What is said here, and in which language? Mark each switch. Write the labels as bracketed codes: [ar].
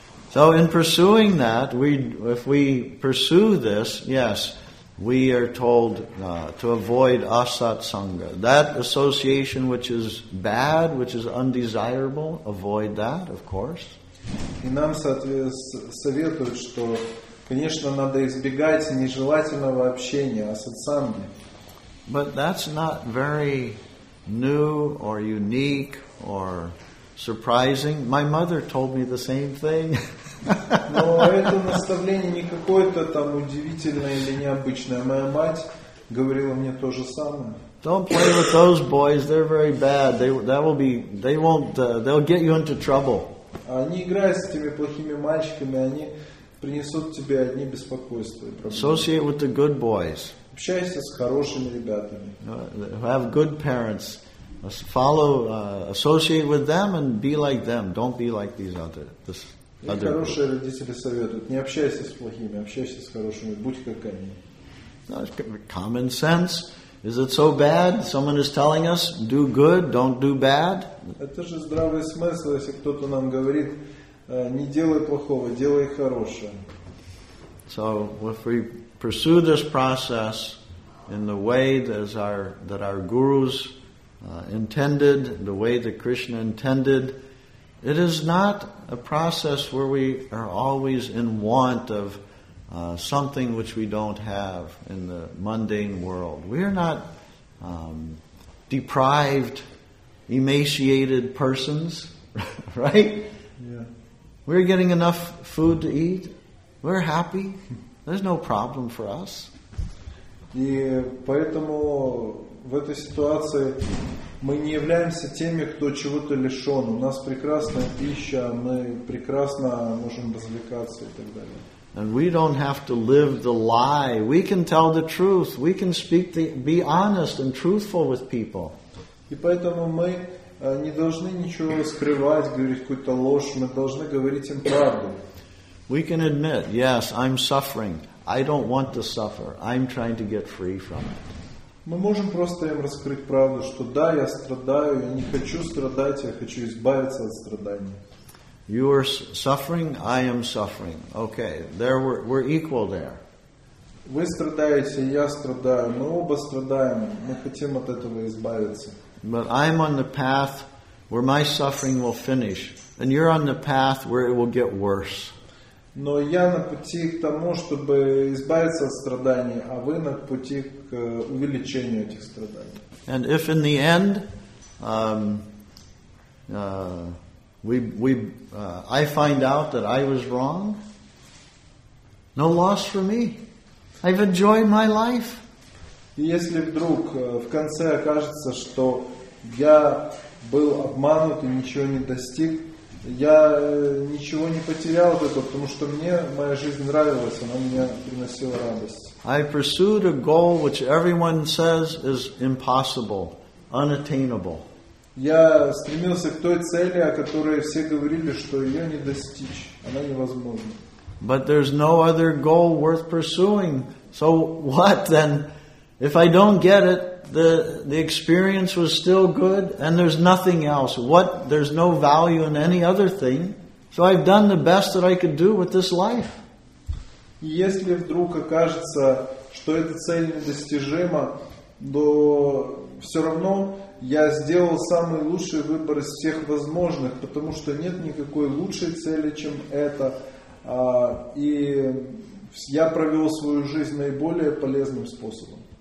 [en] So in pursuing that, if we pursue this, yes, we are told to avoid asat sangha. That association which is bad, which is undesirable, avoid that, of course. [ru] И нам советуют, что, конечно, надо избегать нежелательного общения, асат санги. [en] But that's not very new or unique or surprising. My mother told me the same thing. [ru] Но это наставление не какое-то там удивительное или необычное. Моя мать говорила мне то же самое. [en] Don't play with those boys. They're very bad. They'll get you into trouble. [ru] Не играй с этими плохими мальчиками. Они принесут тебе одни беспокойства. [en] Associate with the good boys. [ru] Общайся с хорошими ребятами. [en] Have good parents. Follow, associate with them and be like them. Don't be like these others. [ru] И хорошие родители советуют: не общайся с плохими, общайся с хорошими, будь как они. [en] No, common sense. Is it so bad? Someone is telling us, do good, don't do bad. [ru] Это же здравый смысл, если кто-то нам говорит, не делай плохого, делай хорошее. [en] So if we pursue this process in the way that our gurus intended, the way that Krishna intended, it is not a process where we are always in want of something which we don't have in the mundane world. We are not deprived, emaciated persons, right? Yeah. We're getting enough food to eat. We're happy. There's no problem for us. [ru] И поэтому в этой ситуации мы не являемся теми, кто чего-то лишен. У нас прекрасная пища, мы прекрасно можем развлекаться и так далее. [en] And we don't have to live the lie. We can tell the truth. We can speak, be honest and truthful with people. [ru] И поэтому мы не должны ничего скрывать, говорить какую-то ложь. Мы должны говорить им правду. [en] We can admit, yes, I'm suffering. I don't want to suffer. I'm trying to get free from it. [ru] Мы можем просто им раскрыть правду, что да, я страдаю, я не хочу страдать, я хочу избавиться от страдания. [en] You are suffering, I am suffering. Okay, there we're equal there. [ru] Вы страдаете, я страдаю, мы оба страдаем, мы хотим от этого избавиться. [en] But I'm on the path where my suffering will finish, and you're on the path where it will get worse. [ru] Но я на пути к тому, чтобы избавиться от страданий, а вы на пути к увеличению этих страданий. [en] And if in the end I find out that I was wrong, no loss for me. I've enjoyed my life. [ru] И если вдруг в конце окажется, что я был обманут и ничего не достиг, я ничего не потерял от этого, потому что мне моя жизнь нравилась, она мне приносила радость. [en] I pursued a goal which everyone says is impossible, unattainable. [ru] Я стремился к той цели, о которой все говорили, что ее не достичь, она невозможна. [en] But there's no other goal worth pursuing. So what then? If I don't get it, the experience was still good, and there's nothing else. What? There's no value in any other thing. So I've done the best that I could do with this life. [ru] Если вдруг окажется, что эта цель недостижима, то все равно я сделал самый лучший выбор из всех возможных, потому что нет никакой лучшей цели, чем это, и я провел свою жизнь наиболее полезным способом.